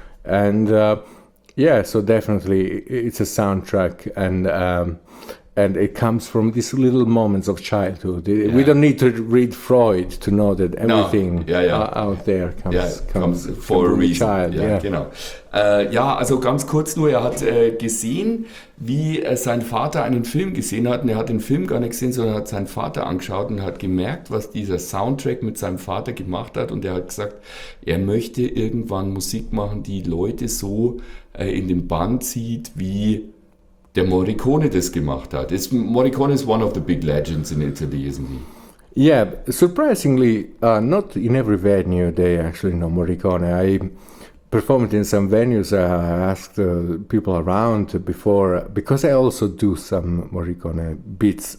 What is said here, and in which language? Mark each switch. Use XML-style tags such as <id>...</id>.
<en>And yeah, so definitely it's a soundtrack. And and it comes from these little moments of childhood. Yeah. We don't need to read Freud to know that everything out there comes for a reason. Child. Yeah,</en> <de>genau. Also ganz kurz nur, er hat gesehen, wie sein Vater einen Film gesehen hat. Und er hat den Film gar nicht gesehen, sondern hat seinen Vater angeschaut und hat gemerkt, was dieser Soundtrack mit seinem Vater gemacht hat. Und er hat gesagt, er möchte irgendwann Musik machen, die Leute so in den Bann zieht, wie der Morricone das gemacht hat.</de> <en>Morricone is one of the big legends in Italy, isn't he? Yeah, surprisingly, not in every venue they actually know Morricone. I performed in some venues. I asked people around before, because I also do some Morricone beats.</en>